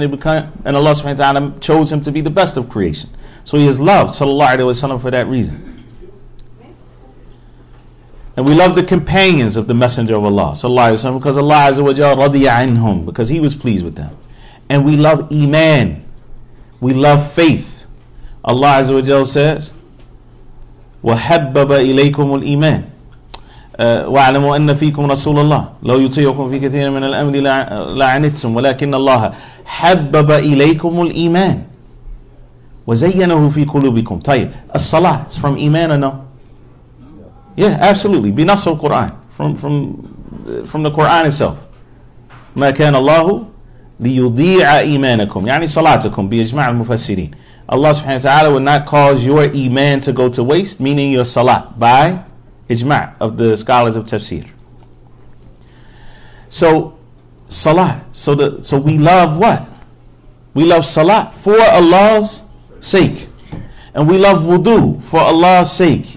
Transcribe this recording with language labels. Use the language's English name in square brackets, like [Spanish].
[English] And Allah subhanahu wa ta'ala chose Him to be the best of creation. So He is loved, sallallahu alayhi wa sallam, for that reason. And we love the companions of the Messenger of Allah, sallallahu alayhi wa sallam, because Allah azza wa jalla radiya anhum, because He was pleased with them. And we love iman. We love faith. Allah azza wa jalla says, [Arabic] وَحَبَّبَ إِلَيْكُمُ الْإِيمَانِ وَعَلَمُوا أَنَّ فِيكُمْ رَسُولَ اللَّهِ لَوْ يُطِيعُكُمْ فِي كَثِيرٍ مِنَ الْأَمْرِ لَعَنِتُّمْ وَلَكِنَّ اللَّهَ حَبَّبَ إِلَيْكُمُ الْإِيمَانِ وَزَيَّنَهُ فِي قُلُوبِكُمْ. [English] طيب, الصلاة is from Iman or no? Yeah, absolutely. [Arabic] بنص القرآن. [English] From the Quran itself. [Arabic] مَا كَانَ اللَّهُ لِيُضِيعَ إِيمَانَكُمْ يعني صلاتكم بإجماع المفسرين. [English] Allah subhanahu wa ta'ala would not cause your Iman to go to waste, meaning your salat, by ijma' of the scholars of tafsir. So, salat. So we love what? We love salat for Allah's sake. And we love wudu for Allah's sake.